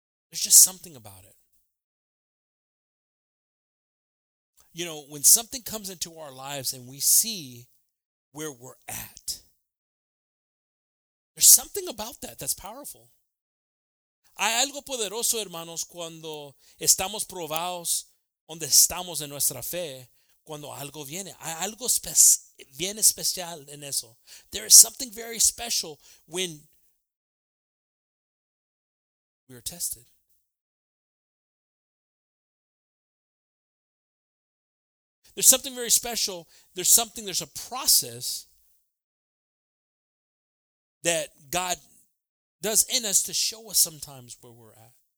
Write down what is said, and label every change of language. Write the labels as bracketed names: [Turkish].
[English] There's just something about it. You know, when something comes into our lives and we see where we're at, there's something about that that's powerful. [Spanish] Hay algo poderoso, hermanos, cuando estamos probados donde estamos en nuestra fe, cuando algo viene. Hay algo bien especial en eso. [English] There is something very special when we are tested. There's something very special. There's a process that God does in us to show us sometimes where we're at.